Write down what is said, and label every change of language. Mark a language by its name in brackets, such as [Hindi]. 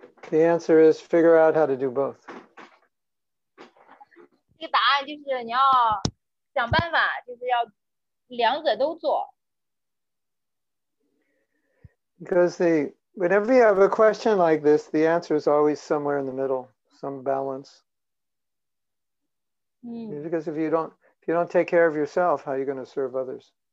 [English] The answer is figure out how to do both. [Chinese] 这个答案就是你要想办法, 就是要两者都做。 [English] Because whenever you have a question like this, the answer is always somewhere in the middle, some balance. Mm. Because if you don't take care of yourself, how are you going to serve others?